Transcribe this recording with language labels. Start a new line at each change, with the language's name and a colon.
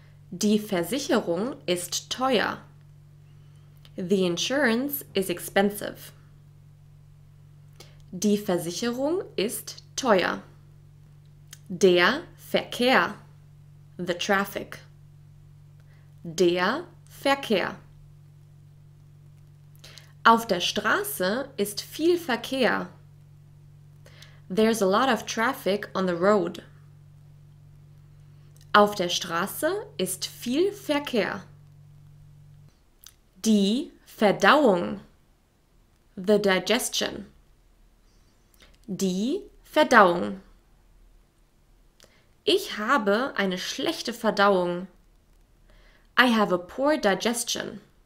German: Die Versicherung ist teuer.
English: The insurance is expensive.
German: Die Versicherung ist teuer. Der Verkehr.
English: The traffic.
German: Der Verkehr. Auf der Straße ist viel Verkehr.
English: There's a lot of traffic on the road.
German: Auf der Straße ist viel Verkehr. Die Verdauung.
English: The digestion.
German: Die Verdauung. Ich habe eine schlechte Verdauung.
English: I have a poor digestion.